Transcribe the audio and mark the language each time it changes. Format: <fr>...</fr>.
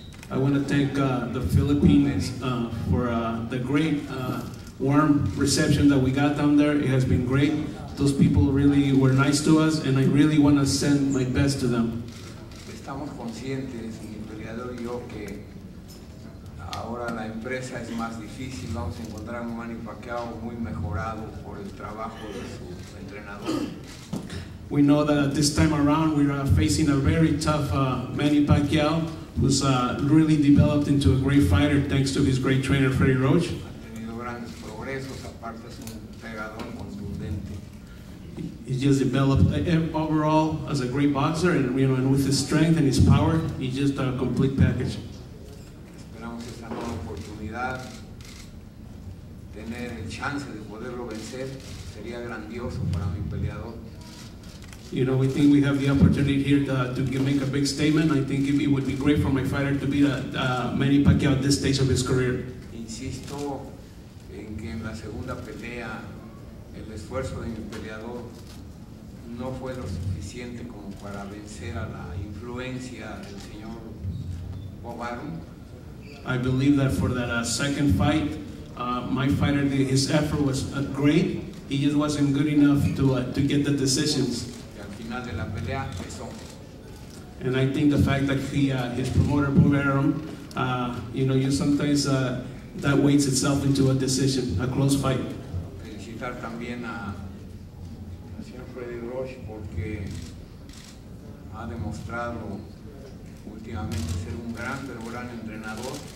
<en>I want to thank the Philippines for the great warm reception that we got down there. It has been great. Those people really were nice to us, and I really want to send my best to them.</en> <es>Estamos conscientes, mi peleador y yo, que ahora la empresa es más difícil. Vamos a encontrar un Manny Pacquiao muy mejorado por el trabajo de su entrenador.</es> <en>We know that this time around we are facing a very tough Manny Pacquiao, who's really developed into a great fighter thanks to his great trainer, Freddie Roach.</en> <es>Ha tenido gran pesos, aparte es un pegador contundente.</es> <en>He just developed overall as a great boxer, and you know, and with his strength and his power, he's just a complete package.</en> <es>Esperamos esta nueva oportunidad, tener el chance de poderlo vencer sería grandioso para mi peleador.</es> <en>You know, we think we have the opportunity here to make a big statement. I think it would be great for my fighter to beat Manny Pacquiao at this stage of his career.</en> <es>Insisto en que en la segunda pelea el esfuerzo de mi peleador no fue lo suficiente como para vencer a la influencia del señor Bobarum.</es> <en>I believe that for that second fight, my fighter, his effort was great. He just wasn't good enough to get the decisions.</en> <es>De la pelea, eso.</es> <en>And I think the fact that his promoter Bumerum, you sometimes that weighs itself into a decision, a close fight.</en> <es>Felicitar también a señor Freddy Roche porque ha demostrado últimamente ser un gran pero gran entrenador.</es>